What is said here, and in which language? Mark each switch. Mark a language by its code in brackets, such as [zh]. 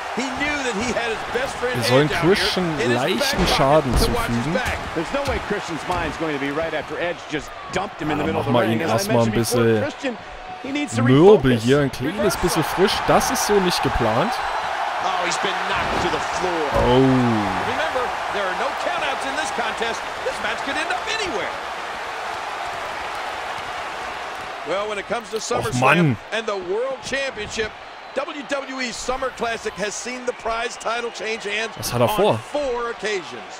[en] He knew that he had his best friend. [de] Wir sollen Christian leichten Schaden zufügen. [en] There's no way Christian's mind's going to be right after Edge just dumped him in the middle of the ring. [de] Erstmal ein bisschen Mürbel hier, ein kleines bisschen frisch. Das ist so nicht geplant. [en] Oh, he's been knocked to the floor. Oh. Remember, there are no countouts in this contest. This match could end up anywhere. Well, when it comes to SummerSlam and the World Championship, WWE Summer Classic has seen the prize title change hands on four occasions.